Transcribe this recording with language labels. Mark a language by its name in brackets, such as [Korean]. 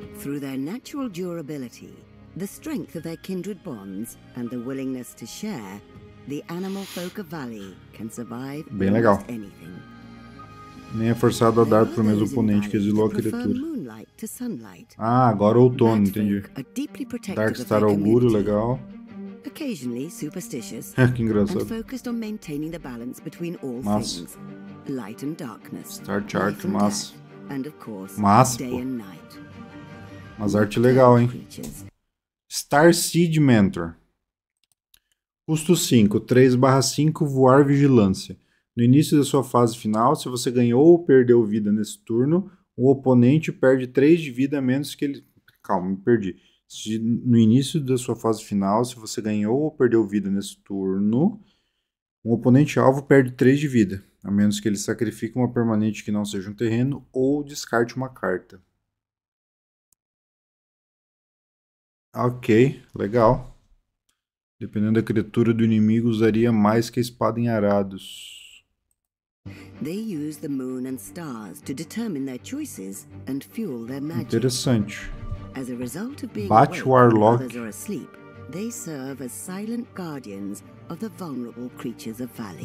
[English] Through their natural durability, the strength of their kindred bonds, and the willingness to share, the animal folk of Valley can survive almost anything. [Portuguese] Nem é forçado a dar para o mesmo oponente que exilou a criatura. Ah, agora é outono, entendi. Darkstar Auguro, legal. [English] Occasionally superstitious, [Portuguese] que engraçado. [English] And focused on maintaining the balance between all [Portuguese] mas. [English] Things, light and darkness, Star Chart, life and [Portuguese] mas. [English] Death, and of course, [Portuguese] mas, [English] day and night. [Portuguese] Mas arte legal, hein? Star Seed Mentor. Custo 5, 3/5, voar vigilância. No início da sua fase final, se você ganhou ou perdeu vida nesse turno, o oponente perde 3 de vida a menos que ele... Calma, me perdi. Se no início da sua fase final, se você ganhou ou perdeu vida nesse turno, um oponente alvo perde 3 de vida, a menos que ele sacrifique uma permanente que não seja um terreno ou descarte uma carta. Ok, legal. Dependendo da criatura do inimigo, usaria mais que a espada em arados. [English] They use the moon and stars to determine their choices and fuel their magic. [Portuguese] Interessante. [English] As a result of being awake, others are asleep. They serve as silent guardians of the vulnerable creatures of Valley.